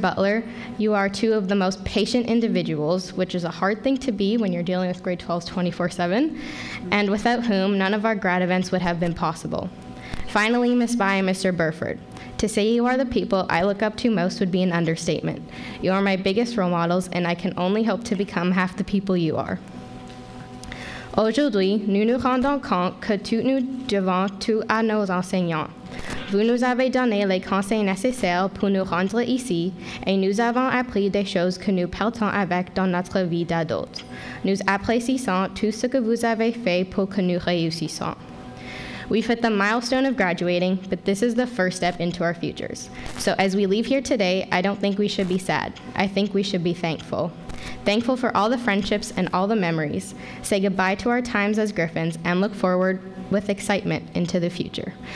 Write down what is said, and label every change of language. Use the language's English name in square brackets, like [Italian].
[English] Butler, you are two of the most patient individuals, which is a hard thing to be when you're dealing with grade 12s 24/7, and without whom none of our grad events would have been possible. Finally, Ms. Bai and Mr. Burford, to say you are the people I look up to most would be an understatement. You are my biggest role models, and I can only hope to become half the people you are. [French] Aujourd'hui, nous nous rendons compte que tout nous devons tout à nos enseignants. Vous nous avez donné les conseils nécessaires pour nous rendre ici et nous avons appris des choses que nous partons avec dans notre vie d'adulte. Nous apprécions tout ce que vous avez fait pour que nous réussissions. [English] We've hit the milestone of graduating, but this is the first step into our futures. So as we leave here today, I don't think we should be sad. I think we should be thankful. Thankful for all the friendships and all the memories. Say goodbye to our times as Griffins and look forward with excitement into the future.